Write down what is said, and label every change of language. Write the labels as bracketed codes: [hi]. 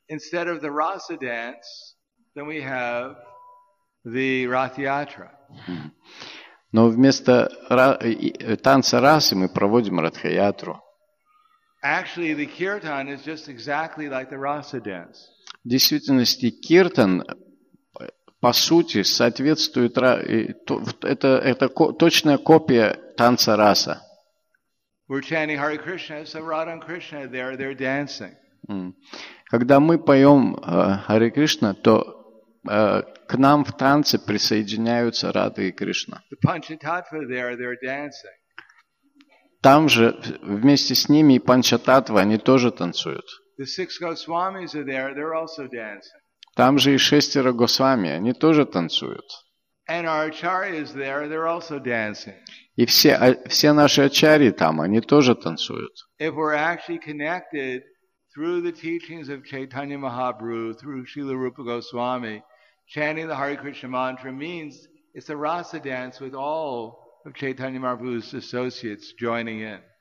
[en] Instead of the rasa dance, then we have the rathyatra. [ru] Но вместо танца расы мы проводим ратхаятру. [en] Actually, the kirtan is just exactly like the rasa dance. [ru] В действительности киртан по сути, соответствует это точная копия танца раса. [en] We're chanting Hare Krishna, so Radha and Krishna are there, they're dancing. [ru] Когда мы поем Hare Krishna, то к нам в танце присоединяются Рада и Кришна. [en] The Panchatattva there, they're dancing. [ru] Там же вместе с ними и Панчататва, они тоже танцуют. [en] The six Госвамис are there, they're also dancing. [ru] Там же и шестеро Госвами, они тоже танцуют. [en] And our Acharya is there, they're also dancing. [ru] И все наши ачарьи там, они тоже танцуют. [en] If we're actually connected through the teachings of Chaitanya Mahaprabhu, through Srila Rupa Goswami, chanting the Hare Krishna mantra means it's a rasa dance with all of Chaitanya Mahaprabhu's associates joining in.